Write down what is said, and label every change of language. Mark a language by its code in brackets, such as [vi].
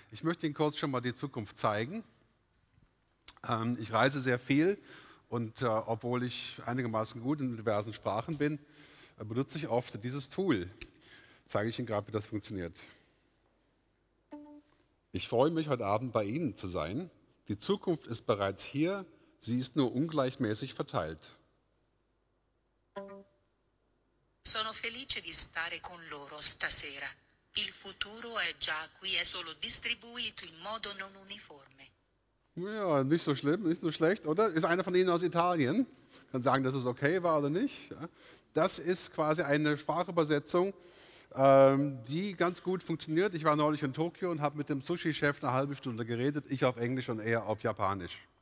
[de] Ich möchte Ihnen kurz schon mal die Zukunft zeigen. Ich reise sehr viel und obwohl ich einigermaßen gut in diversen Sprachen bin, benutze ich oft dieses Tool. Zeige ich Ihnen gerade, wie das funktioniert. Ich freue mich, heute Abend bei Ihnen zu sein. Die Zukunft ist bereits hier, sie ist nur ungleichmäßig verteilt. [it] Sono felice di stare con loro stasera. Il futuro è già qui, è solo distribuito in modo non uniforme. [de] Ja, nicht so schlimm, nicht so schlecht, oder? Ist einer von Ihnen aus Italien? Kann sagen, dass es okay war oder nicht. Das ist quasi eine Sprachübersetzung, die ganz gut funktioniert. Ich war neulich in Tokio und habe mit dem Sushi-Chef eine halbe Stunde geredet, ich auf Englisch und er auf Japanisch.